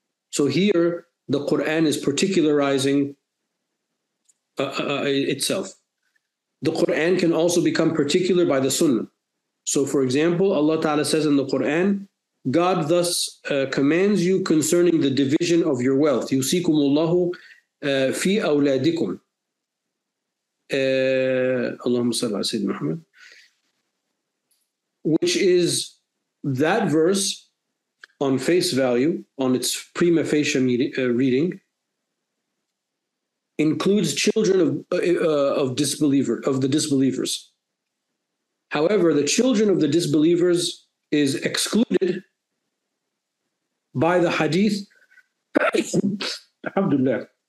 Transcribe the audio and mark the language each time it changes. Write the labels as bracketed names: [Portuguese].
[English] So here, the Quran is particularizing itself. The Quran can also become particular by the Sunnah. So for example, Allah Ta'ala says in the Quran, God thus commands you concerning the division of your wealth. [Arabic] يُسِيكُمُ اللَّهُ فِي أَوْلَادِكُمْ اللهم صل على سيدنا محمد. [English] Which is that verse on face value, on its prima facie reading, includes children of the disbelievers. However, the children of the disbelievers is excluded by the hadith. Alhamdulillah.